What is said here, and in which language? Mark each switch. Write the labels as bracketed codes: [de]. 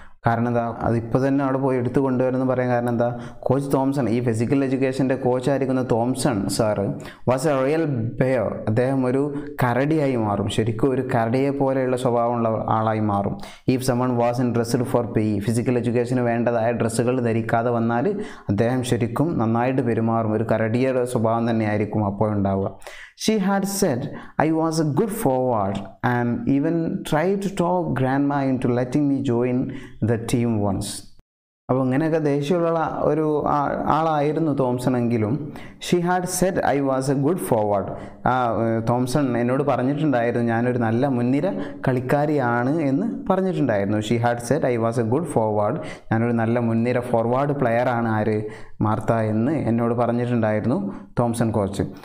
[ml] കാരണം എന്താ, അതിപ്പോൾ തന്നെ അവിടെ പോയി എടുത്തു കൊണ്ടുവരുമെന്ന് പറയാൻ കാരണം എന്താ, കോച്ച് തോംസൺ, ഈ physical എഡ്യൂക്കേഷൻ്റെ കോച്ചായിരിക്കുന്ന Thomson sir [en] Was a royal bear. [ml] അദ്ദേഹം ഒരു കരടിയായി മാറും, ശരിക്കും ഒരു കരടിയെ പോലെയുള്ള സ്വഭാവമുള്ള ആളായി മാറും. [en] if someone was in dressed for P, [ml] physical എഡ്യൂക്കേഷന് വേണ്ടതായ ഡ്രസ്സുകൾ ധരിക്കാതെ വന്നാൽ അദ്ദേഹം ശരിക്കും നന്നായിട്ട് പെരുമാറും, ഒരു കരടിയുടെ സ്വഭാവം തന്നെ ആയിരിക്കും അപ്പോഴുണ്ടാവുക. [en] She had said I was a good forward and even tried to talk grandma into letting me join the team once. [ml] അപ്പോൾ അങ്ങനെയൊക്കെ ദേഷ്യമുള്ള ഒരു ആളായിരുന്നു തോംസൺ എങ്കിലും [en] She had said I was a good forward. [ml] ആ തോംസൺ എന്നോട് പറഞ്ഞിട്ടുണ്ടായിരുന്നു ഞാനൊരു നല്ല മുൻനിര കളിക്കാരിയാണ് എന്ന് പറഞ്ഞിട്ടുണ്ടായിരുന്നു. [en] she had said I was a good forward, [ml] ഞാനൊരു നല്ല മുൻനിര ഫോർവേഡ് പ്ലെയറാണ് ആര് മാർത്ത എന്ന് എന്നോട് പറഞ്ഞിട്ടുണ്ടായിരുന്നു തോംസൺ കോച്ച്.